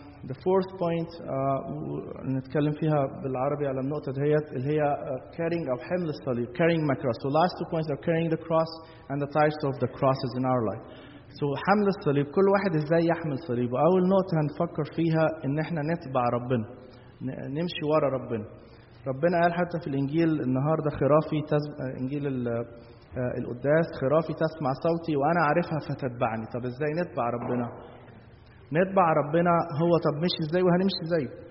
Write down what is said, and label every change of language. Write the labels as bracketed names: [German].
[English] The fourth point, [Arabic] نتكلم فيها بالعربي على النقطة ديت اللي هي [English] carrying of [Arabic] حمل الصليب, [English] carrying my cross. So last two points are carrying the cross and the types of the crosses in our life. So [Arabic] حمل الصليب, كل واحد ازاي يحمل صليب. أول نقطة هنفكر فيها ان احنا نتبع ربنا, نمشي ورا ربنا. ربنا قال حتى في الإنجيل النهاردة خرافي إنجيل القداس, خرافي تسمع صوتي وأنا عارفها فتتبعني. طب ازاي نتبع ربنا؟ نتبع ربنا هو طب مشي ازاي وهنمشي ازاي.